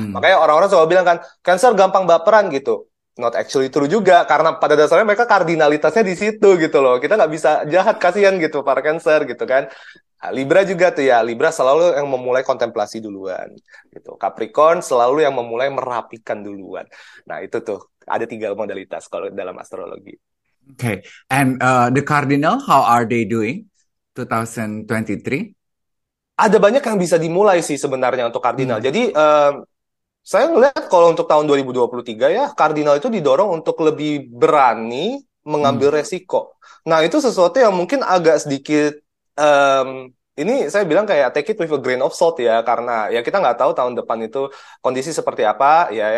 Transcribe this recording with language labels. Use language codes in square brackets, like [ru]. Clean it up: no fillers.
[id] Makanya orang-orang selalu bilang kan, Cancer gampang baperan, gitu. [en] Not actually true [id] juga, karena pada dasarnya mereka kardinalitasnya di situ, gitu loh. Kita nggak bisa jahat, kasihan gitu, para Cancer, gitu kan. Libra juga tuh ya, Libra selalu yang memulai kontemplasi duluan, gitu. Capricorn selalu yang memulai merapikan duluan. Nah itu tuh ada tiga modalitas kalau dalam astrologi. [en] Okay, and the cardinal, how are they doing 2023? [id] Ada banyak yang bisa dimulai sih sebenarnya untuk cardinal. Jadi saya ngeliat kalau untuk tahun 2023 ya, cardinal itu didorong untuk lebih berani mengambil resiko. Nah itu sesuatu yang mungkin agak sedikit ini saya bilang kayak [en] take it with a grain of salt [id] ya, karena ya kita nggak tahu tahun depan itu kondisi seperti apa ya.